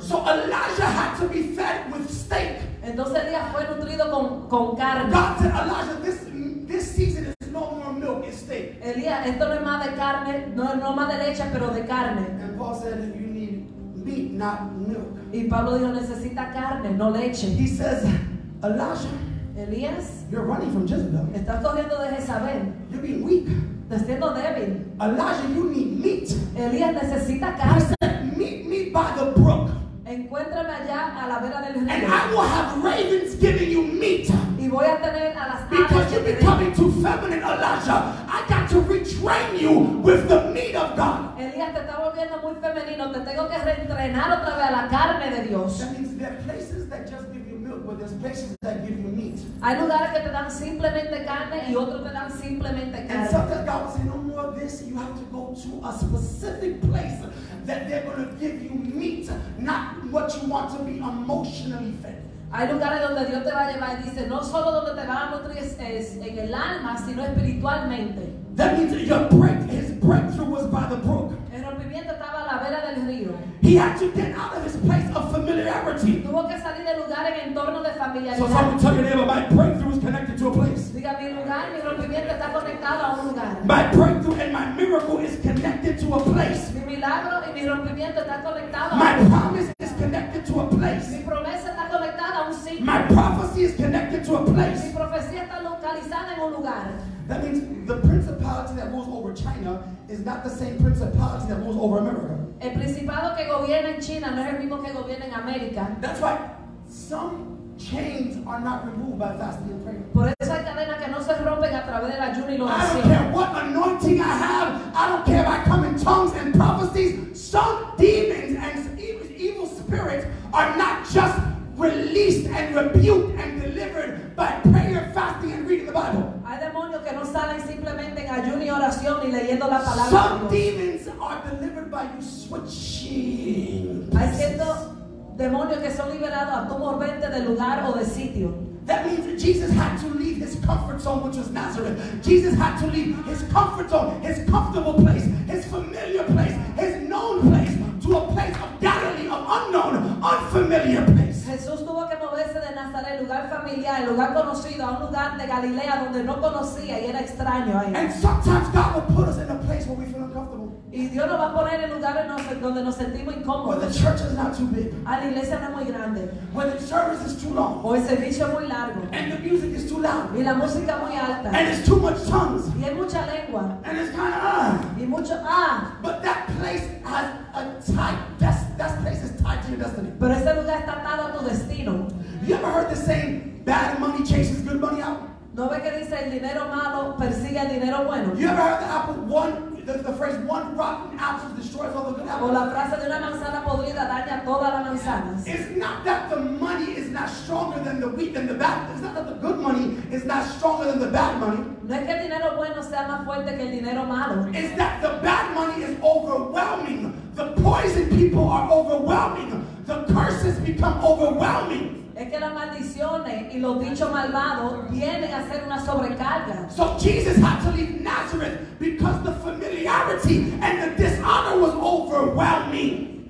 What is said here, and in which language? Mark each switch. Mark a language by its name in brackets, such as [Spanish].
[English] So Elijah had to be fed with steak. [Spanish] Entonces Elías fue nutrido con carne. [English] God said, Elijah, this season is no more milk, it's steak. [Spanish] Elías, esto no es más de carne, no más de leche, pero de carne. [English] And Paul said, you need meat, not milk. [Spanish] Y Pablo dijo, necesita carne, no leche. [English] He says, Elijah, [Spanish] Elías, [English] you're running from Jezebel. [Spanish] Estás corriendo de Jezabel. [English] You're being weak. [Spanish] Te siento débil. [English] Elijah, you need meat. [Spanish] Elías necesita carne. [English] He said, meet me by the brook. [Spanish] Encuéntrame allá a la vera del río. [English] And I will have ravens giving you meat. [Spanish] Y voy a tener a las aves. [English] Because you're becoming too feminine, Elijah. I got to retrain you with the meat of God. [Spanish] Elías, te está volviendo muy femenino. Te tengo que reentrenar otra vez a la carne de Dios. [English] That means there are places that just give you milk, but there's places that give you meat. [Spanish] Hay lugares que te dan simplemente carne y otros te dan simplemente carne. [English] And sometimes God will say, no more of this. You have to go to a specific place that they're going to give you meat, not what you want to be emotionally fed. [Spanish] Hay lugares donde Dios te va a llevar y dice, no solo donde te va a nutrir es en el alma, sino espiritualmente. [English] That means your breakthrough was by the brook. [Spanish] El rompimiento estaba a la vera del río. [English] He had to get out of his place of familiarity. [Spanish] Tuvo que salir del lugar en entorno de familiaridad. [English] So someone tell your neighbor, my breakthrough is connected to a place. [Spanish] Diga, mi lugar, mi rompimiento está conectado a un lugar. [English] My breakthrough and my miracle is connected to a place. [Spanish] Mi milagro y mi rompimiento está conectado a un lugar. [English] My promise is connected to a place. [Spanish] Mi promesa está conectada a un sitio. [English] My prophecy is connected to a place. [Spanish] Mi profecía está localizada en un lugar. [English] That means the principality that rules over China is not the same principality that rules over America. [Spanish] El principado que gobierna en China no es el mismo que gobierna en América. [English] That's why some chains are not removed by fasting and prayer. [Spanish] Por eso hay cadenas que no se rompen a través del ayuno y la oración. [English] I don't care what anointing I have. I don't care if I come in tongues and pray. prophecies, some demons and evil spirits are not just released and rebuked and delivered by prayer, fasting, and reading the Bible. [Spanish] Hay demonios que no salen simplemente en ayuno y oración y leyendo la palabra. [English] Some demons are delivered by you switching. [Spanish] Hay ciertos demonios que son liberados a tu morvente de lugar o de sitio. [English] That means that Jesus had to leave his comfort zone, which was Nazareth. Jesus had to leave his comfort zone, his comfortable place, his familiar place, his known place, to a place of Galilee, of unknown, unfamiliar place. [Spanish] Jesús tuvo que moverse de Nazaret, lugar familiar, lugar conocido, a un lugar de Galilea donde no conocía y era extraño ahí. [English] And sometimes God will put us in a place where we feel uncomfortable. [Spanish] Y Dios nos va a poner en lugares donde nos sentimos incómodos. [English] Where the church is not too big. [Spanish] A la iglesia no es muy grande. [English] Where the service is too long. [Spanish] O el servicio es muy largo. [English] And the music is too loud. [Spanish] Y la música muy alta. [English] And it's too much tongues. [Spanish] Y es mucha lengua. [English] And it's kind of [Spanish] Y mucho [English] But that place has a tie. That place is tied to your destiny. [Spanish] Pero ese lugar está atado a tu destino. [English] You ever heard the saying, bad money chases good money out? [Spanish] ¿No ve que dice el dinero malo persigue el dinero bueno? [English] You ever heard the apple one? The phrase one rotten apple destroys all the good apples. [Spanish] O la frase de una manzana podrida daña todas las manzanas. [English] It's not that the money is not stronger than the weak and the bad. It's not that the good money is not stronger than the bad money. [Spanish] No es que el dinero bueno sea más fuerte que el dinero malo. [English] It's that the bad money is overwhelming. The poison people are overwhelming. The curses become overwhelming. [Spanish] Es que las maldiciones y los dichos malvados vienen a ser una sobrecarga. [English] So Jesus had to leave Nazareth because the familiarity and the dishonor was overwhelming.